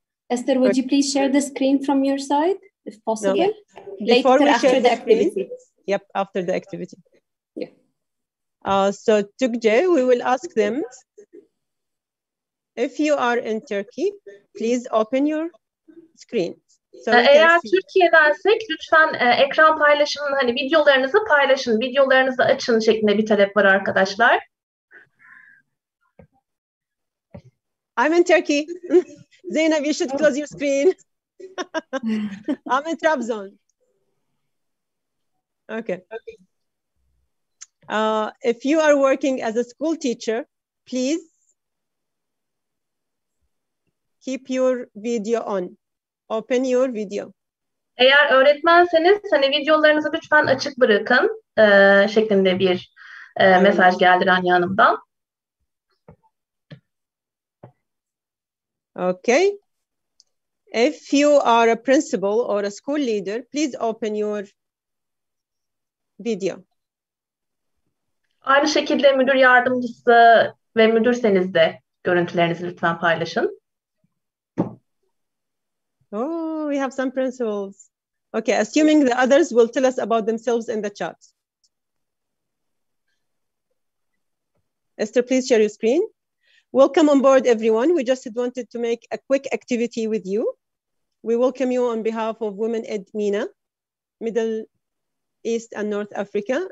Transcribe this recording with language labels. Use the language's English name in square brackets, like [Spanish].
[English] Esther, would you please share the screen from your side, if possible? No. Later, before we share the activity. Yep, after the activity. Yeah. So, Tugje, we will ask them. If you are in Turkey, please open your screen. [Turkish] So eğer Türkiye'densek lütfen ekran paylaşımını hani videolarınızı paylaşın, videolarınızı açın şeklinde bir talep var arkadaşlar. [English] I'm in Turkey. Zainab, you should close your screen. I'm in Trabzon. Okay. If you are working as a school teacher, please keep your video on. Open your video. [Turkish] Eğer öğretmenseniz hani videolarınızı lütfen açık bırakın şeklinde bir mesaj geldi Rania Hanım'dan. [English] Okay. If you are a principal or a school leader, please open your video. [Turkish] Aynı şekilde müdür yardımcısı ve müdürseniz de görüntülerinizi lütfen paylaşın. [English] Oh, we have some principles. Okay, assuming the others will tell us about themselves in the chat. Esther, please share your screen. Welcome on board, everyone. We just wanted to make a quick activity with you. We welcome you on behalf of Women Ed MENA, Middle East and North Africa.